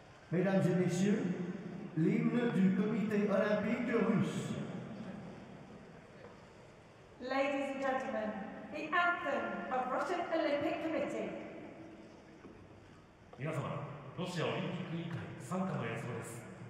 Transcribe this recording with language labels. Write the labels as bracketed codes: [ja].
[fr] Mesdames et messieurs, l'hymne du Comité olympique russe. [en] Ladies and gentlemen, the anthem of Russian Olympic Committee. [ja] 皆様、ロシアオリンピック委員会参加の演奏です。